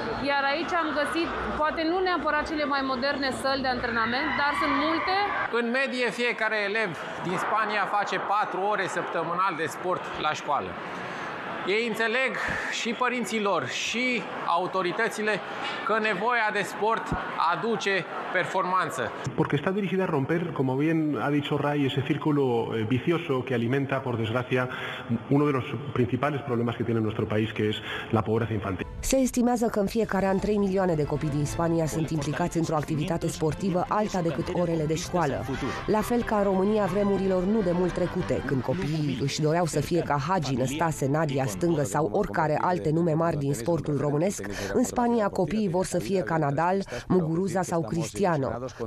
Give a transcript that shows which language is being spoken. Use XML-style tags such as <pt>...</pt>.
<ro>Iar aici am găsit, poate nu neapărat cele mai moderne săli de antrenament, dar sunt multe. În medie, fiecare elev din Spania face 4 ore săptămânal de sport la școală. Ei înțeleg și părinții lor și autoritățile că nevoia de sport aduce performanță.</ro> <es>Porque está dirigida a romper, como bien ha dicho Ray, ese círculo vicioso que alimenta, por desgracia, uno de los principales problemas que tiene nuestro país, que es la pobreza infantil.</es> <ro>Se estimează că în fiecare an 3 milioane de copii din Spania sunt implicați într-o activitate sportivă alta decât orele de școală. La fel ca în România vremurilor nu de mult trecute, când copiii își doreau să fie ca Hagi, Năstase, Nadia Stângă sau oricare alte nume mari din sportul românesc, în Spania copiii vor să fie ca Nadal, Muguruza sau Cristiano.</ro>